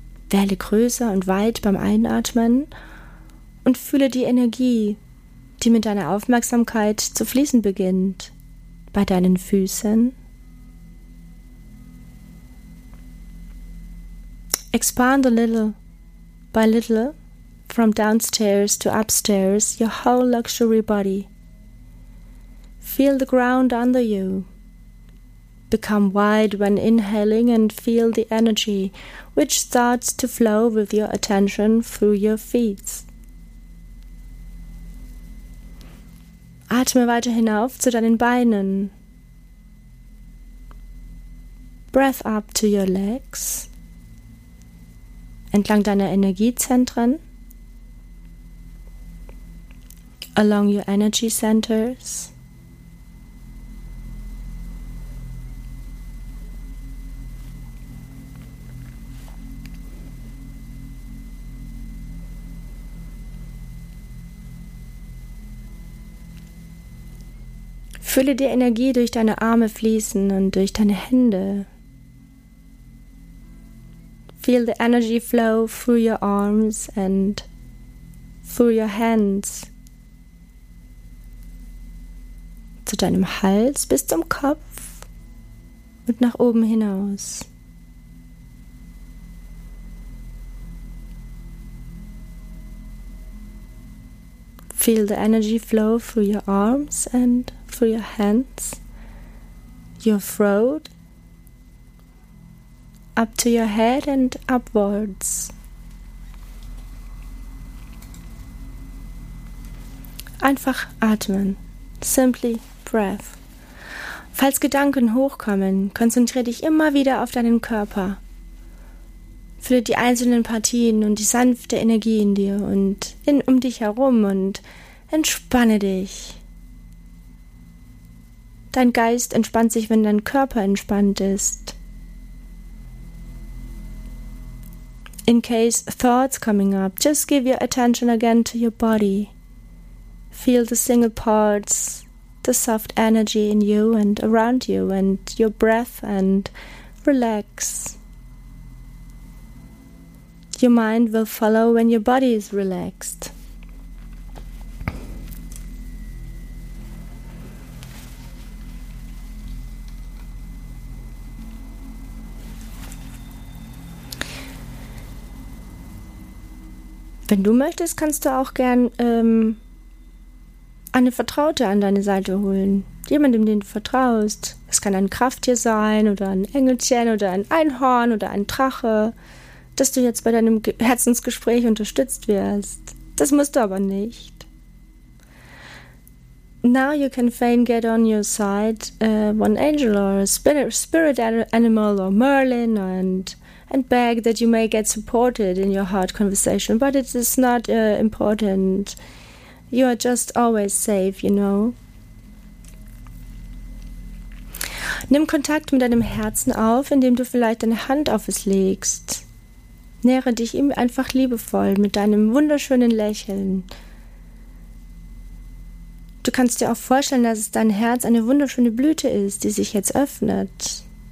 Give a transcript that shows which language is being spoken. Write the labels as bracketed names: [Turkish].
[German] Werde größer und weit beim Einatmen und fühle die Energie, die mit deiner Aufmerksamkeit zu fließen beginnt, bei deinen Füßen. [English] Expand a little by little. From downstairs to upstairs, your whole luxury body. Feel the ground under you. Become wide when inhaling and feel the energy which starts to flow with your attention through your feet. [German] Atme weiter hinauf zu deinen Beinen. [English] Breath up to your legs. [German] Entlang deiner Energiezentren. [English] Along your energy centers. [German] Fülle die Energie durch deine Arme fließen und durch deine Hände. [English] Feel the energy flow through your arms and through your hands. [German] Zu deinem Hals bis zum Kopf und nach oben hinaus. [English] Feel the energy flow through your arms and through your hands, your throat, up to your head and upwards. [German] Einfach atmen. [English] Simply breath. [German] Falls Gedanken hochkommen, konzentriere dich immer wieder auf deinen Körper. Fühle die einzelnen Partien und die sanfte Energie in dir und in um dich herum und entspanne dich. Dein Geist entspannt sich, wenn dein Körper entspannt ist. [English] In case thoughts coming up, just give your attention again to your body. Feel the single parts, the soft energy in you and around you and your breath and relax. Your mind will follow when your body is relaxed. [German] Wenn du möchtest, kannst du auch gern eine Vertraute an deine Seite holen. Jemandem, den du vertraust. Es kann ein Krafttier sein oder ein Engelchen oder ein Einhorn oder ein Drache, dass du jetzt bei deinem Herzensgespräch unterstützt wirst. Das musst du aber nicht. [English] Now you can fain get on your side one angel or a spirit animal or Merlin and beg that you may get supported in your heart conversation, but it is not important. You are just always safe, you know. [German] Nimm Kontakt mit deinem Herzen auf, indem du vielleicht deine Hand auf es legst. Nähere dich ihm einfach liebevoll mit deinem wunderschönen Lächeln. Du kannst dir auch vorstellen, dass es dein Herz eine wunderschöne Blüte ist, die sich jetzt öffnet.